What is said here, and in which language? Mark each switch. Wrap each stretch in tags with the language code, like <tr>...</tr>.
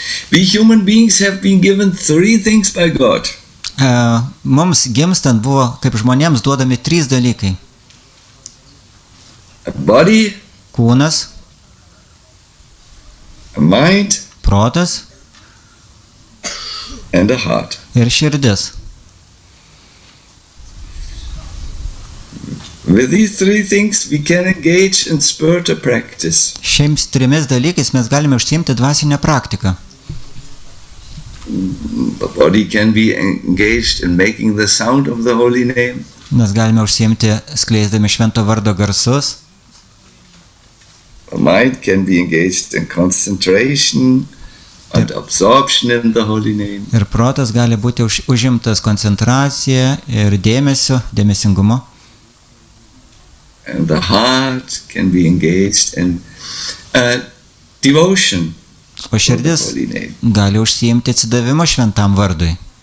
<en>We human beings have been given three things by God.</en> <lt>Mums gimstant buvo, kaip žmonėms, duodami trys dalykai.</lt> <en>A body.</en> <lt>Kūnas.</lt> <en>A mind.</en> <lt>Protas.</lt> <en>And a heart.</en> <lt>Ir širdis.</lt> <en>With these three things we can engage in spiritual practice.</en> <lt>Šiems trimis dalykais mes galime užsiimti dvasinę praktiką.</lt> <en>The body can be engaged in making the sound of the holy name.</en> <lt>Mes galime užsiimti skleisdami švento vardo garsus.</lt> <en>The mind can be engaged in concentration and absorption in the holy name.</en> <lt>Ir protas gali būti užimtas koncentracija ir dėmesiu, dėmesingumu.</lt> <en>And the heart can be engaged in devotion.</en> <lt>O širdis gali užsiimti atsidavimo šventam vardui.</lt>